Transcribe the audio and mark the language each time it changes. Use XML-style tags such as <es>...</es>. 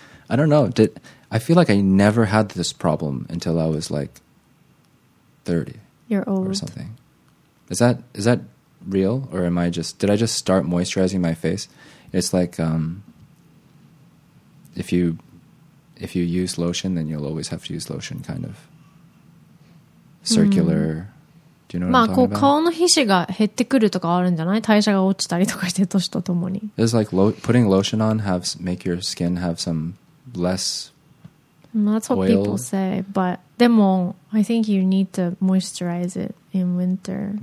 <en>I don't know. I feel like I never had this problem until I was like 30. You're old. Or something. Is that real? Or am I just... Did I just start moisturizing my face? It's like... If you use lotion, then you'll always have to use lotion, kind of. Circular.、Mm. Do you know what I'm talking about?</en> <ja>まあ、こう、顔の皮脂が減ってくるとかあるんじゃない?代謝が落ちたりとかして、年とともに。</ja> <en>It's like putting lotion on make your skin have some less oil. That's what people say. But, でも, I think you need to moisturize it in winter.</en>